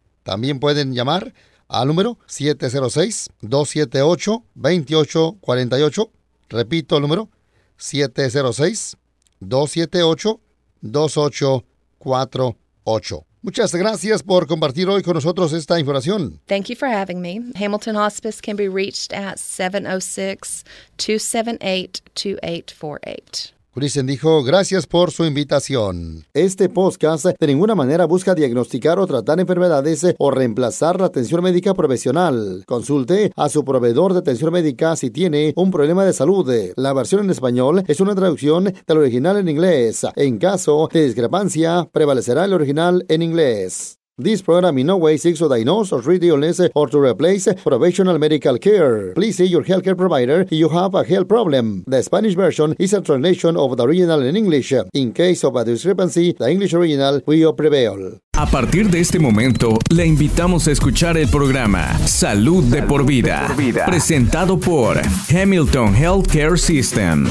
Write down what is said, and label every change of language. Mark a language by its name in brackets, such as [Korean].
[Spanish] También pueden llamar al número 706-278-2848. Repito el número, 706-278-2848. Muchas gracias por compartir hoy con nosotros esta información. [English] Thank you for having me. Hamilton Hospice can be reached at 706-278-2848. [Spanish] Kristen dijo, gracias por su invitación. Este podcast de ninguna manera busca diagnosticar o tratar enfermedades o reemplazar la atención médica profesional. Consulte a su proveedor de atención médica si tiene un problema de salud. La versión en español es una traducción del original en inglés. En caso de discrepancia, prevalecerá el original en inglés. [English] This program in no way seeks to diagnose or treat illness or to replace professional medical care. Please see your healthcare provider if you have a health problem. The Spanish version is a translation of the original in English. In case of a discrepancy, the English original will prevail. [Spanish] A partir de este momento, le invitamos a escuchar el programa Salud de por vida, presentado por Hamilton Healthcare System.